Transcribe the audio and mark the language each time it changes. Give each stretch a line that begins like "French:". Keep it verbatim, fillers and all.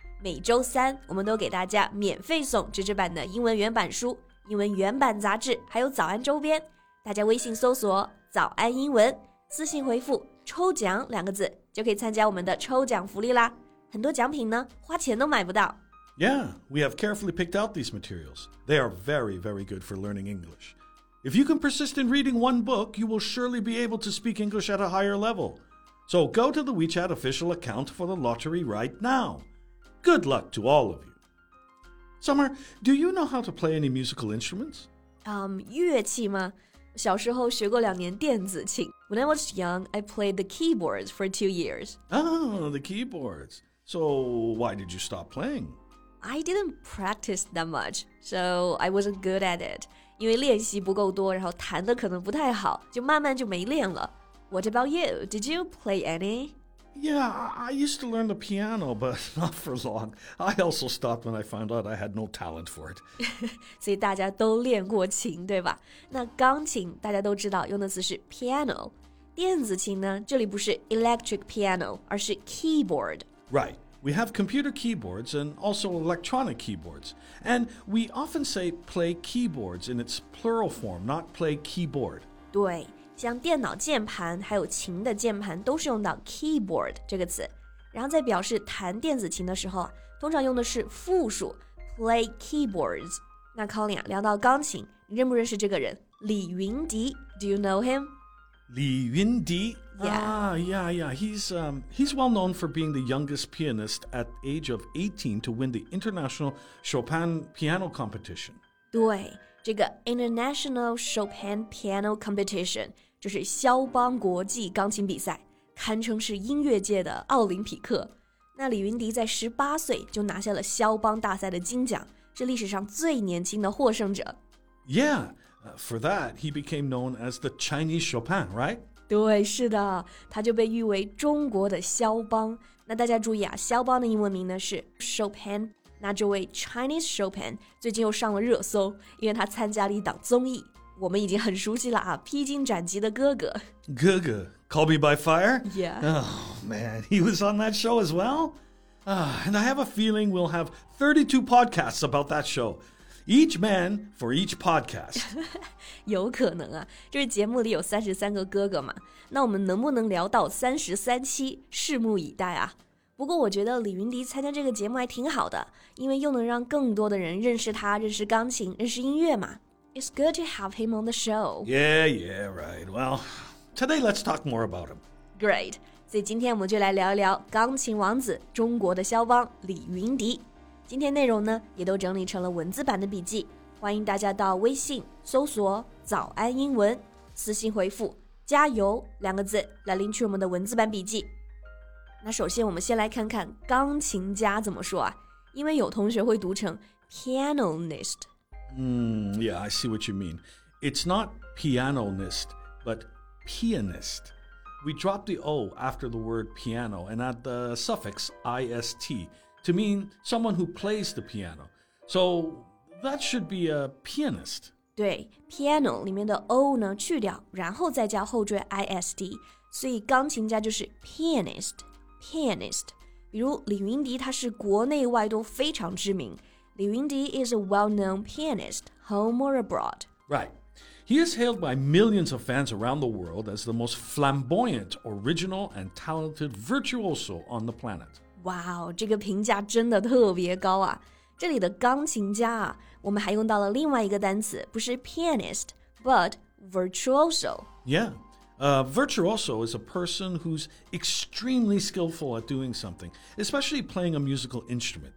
Chinese: 每周三，我们都给大家免费送纸质版的英文原版书、英文原版杂志，还有早安周边。大家微信搜索“早安英文”，私信回复“抽奖”两个字，就可以参加我们的抽奖福利啦。很多奖品呢，花钱都买不到。
English: Yeah, we have carefully picked out these materials. They are very, very good for learning English. If you can persist in reading one book, you will surely be able to speak English at a higher level. So go to the WeChat official account for the lottery right now. Good luck to all of you. Summer, do you know how to play any musical instruments?
Chinese: Um, 乐器吗？小时候学过两年电子琴。
English: When I was young, I played the keyboards for two years. Oh, the keyboards. So why did you stop playing? I didn't practice that much, so I wasn't good at it.
Chinese: 因为练习不够多，然后弹的可能不太好，就慢慢就没练了。
English: What about you? Did you play any? Yeah, I used to learn the piano, but not for long. I also stopped when I found out I had no talent for it.
Chinese: 所以大家都练过琴，对吧？那钢琴大家都知道用的词是 piano。电子琴呢，这里不是 electric piano， 而是 keyboard.
English: Right. We have computer keyboards and also electronic keyboards. And we often say play keyboards in its plural form, not play keyboard.
Chinese: 对，像电脑键盘还有琴的键盘都是用到 keyboard 这个词。然后在表示弹电子琴的时候啊，通常用的是复数
English: play keyboards.
Chinese: 那 Colin 啊，聊到钢琴，你认不认识这个人？
English: 李云迪 ，Do you know him? Li Yundi? Yeah. Ah, yeah, yeah. He's, um, he's well known for being the youngest pianist at age of eighteen to win the International Chopin Piano Competition.
Chinese: 对，这个 International Chopin Piano Competition 就是肖邦国际钢琴比赛，堪称是音乐界的奥林匹克。那李云迪在十八岁就拿下了肖邦大赛的金奖，是历史上最年轻的获胜者。
English: Yeah. Uh, for that, he became known as the Chinese Chopin, right?
Chinese: 对，是的，他就被誉为中国的肖邦。那大家注意啊，肖邦的英文名呢是 Chopin。那这位 Chinese Chopin 最近又上了热搜，因为他参加了一档综艺，我们已经很熟悉了啊，《披荆斩棘的哥哥》。
English: 哥哥 ，Call Me by Fire? Yeah. Oh man, he was on that show as well. Ah, and I have a feeling we'll have thirty-two podcasts about that show. Each man for each podcast.
Chinese: 有可能啊，就是节目里有三十三个哥哥嘛，那我们能不能聊到三十三期，拭目以待啊。不过我觉得李云迪参加这个节目还挺好的，因为又能让更多的人认识他，认识钢琴，认识音乐嘛。
English: It's good to have him on the show. Yeah, yeah, right. Well, today let's talk more about him. Great.
Chinese: 所以今天我们就来聊一聊钢琴王子，中国的肖邦李云迪。今天内容呢也都整理成了文字版的笔记，欢迎大家到微信搜索早安英文，私信回复加油两个字来领取我们的文字版笔记。那首先我们先来看看钢琴家怎么说啊，因为有同学会读成 pianist。
English: Mm, yeah, I see what you mean. It's not pianist, but pianist. We drop the O after the word piano and add the suffix ist. To mean someone who plays the piano. So that should be a pianist.
Chinese: 对 ,piano 里面的 O 呢去掉，然后再加后缀 ist, 所以钢琴家就是 pianist, pianist. 比如李云迪他是国内外都非常知名。
English: 李云迪 is a well-known pianist, home or abroad. Right. He is hailed by millions of fans around the world as the most flamboyant, original, and talented virtuoso on the planet.
Chinese: 哇、wow, 这个评价真的特别高啊。这里的钢琴家啊，我们还用到了另外一个单词，不是 pianist,
English: but virtuoso. Yeah, uh, virtuoso is a person who's extremely skillful at doing something, especially playing a musical instrument.